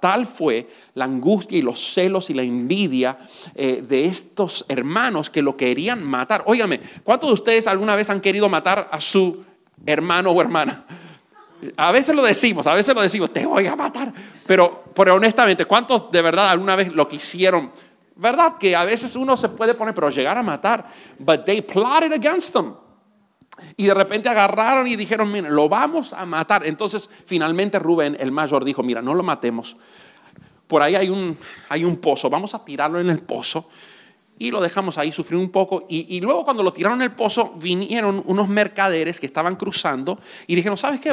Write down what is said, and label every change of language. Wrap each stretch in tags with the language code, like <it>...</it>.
<es>Tal fue la angustia y los celos y la envidia de estos hermanos que lo querían matar. Óigame, ¿cuántos de ustedes alguna vez han querido matar a su hermano o hermana? A veces lo decimos, te voy a matar. Pero honestamente, ¿cuántos de verdad alguna vez lo quisieron? ¿Verdad? Que a veces uno se puede poner, pero llegar a matar.</es> <en>But they plotted against them.</en> <es>Y de repente agarraron y dijeron, mira, lo vamos a matar. Entonces, finalmente Rubén, el mayor, dijo, mira, no lo matemos. Por ahí hay un pozo, vamos a tirarlo en el pozo. Y lo dejamos ahí sufrir un poco. Y luego cuando lo tiraron en el pozo, vinieron unos mercaderes que estaban cruzando y dijeron, ¿sabes qué?</es>